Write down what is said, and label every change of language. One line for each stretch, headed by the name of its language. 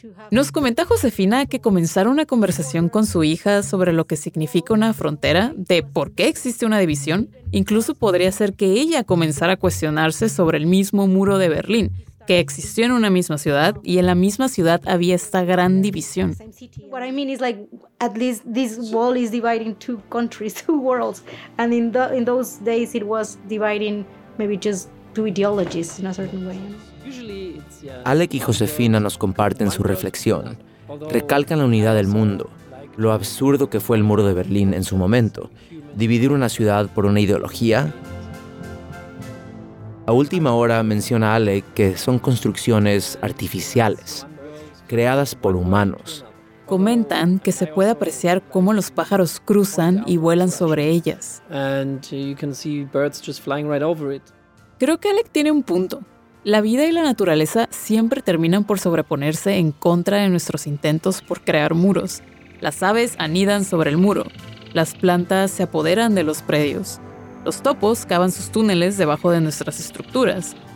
Spanish: Nos comenta Josefina que comenzar una conversación con su hija sobre lo que significa una frontera, de por qué existe una división, incluso podría hacer que ella comenzara a cuestionarse sobre el mismo muro de Berlín, que existió en una misma ciudad y en la misma ciudad había esta gran división.
English: What I mean is like at least this wall is dividing two countries, two worlds, and in those days it was dividing maybe just two ideologies in a certain way.
Spanish: Alec y Josefina nos comparten su reflexión. Recalcan la unidad del mundo, lo absurdo que fue el muro de Berlín en su momento, dividir una ciudad por una ideología. A última hora menciona Ale que son construcciones artificiales, creadas por humanos. Comentan que se puede apreciar cómo los pájaros cruzan y vuelan sobre ellas.
English: And you can see birds just flying right over it.
Spanish: Creo que Alec tiene un punto. La vida y la naturaleza siempre terminan por sobreponerse en contra de nuestros intentos por crear muros. Las aves anidan sobre el muro. Las plantas se apoderan de los predios. Los topos cavan sus túneles debajo de nuestras estructuras.